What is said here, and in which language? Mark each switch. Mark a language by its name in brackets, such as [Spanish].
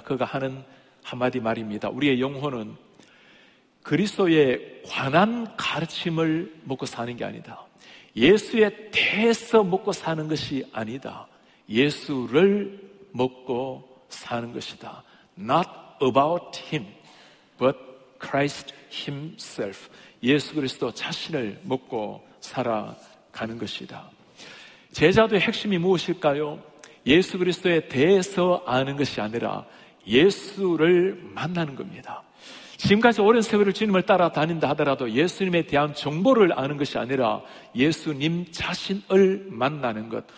[Korean] 그가 하는 한마디 말입니다. 우리의 영혼은 그리스도의 관한 가르침을 먹고 사는 게 아니다. 예수에 대해서 먹고 사는 것이 아니다. 예수를 먹고 사는 것이다. [English] Not about him, but Christ himself. [Korean] 예수 그리스도 자신을 먹고 살아가는 것이다. 제자도의 핵심이 무엇일까요? 예수 그리스도에 대해서 아는 것이 아니라 예수를 만나는 겁니다. 지금까지 오랜 세월을 주님을 따라다닌다 하더라도 예수님에 대한 정보를 아는 것이 아니라 예수님 자신을 만나는 것.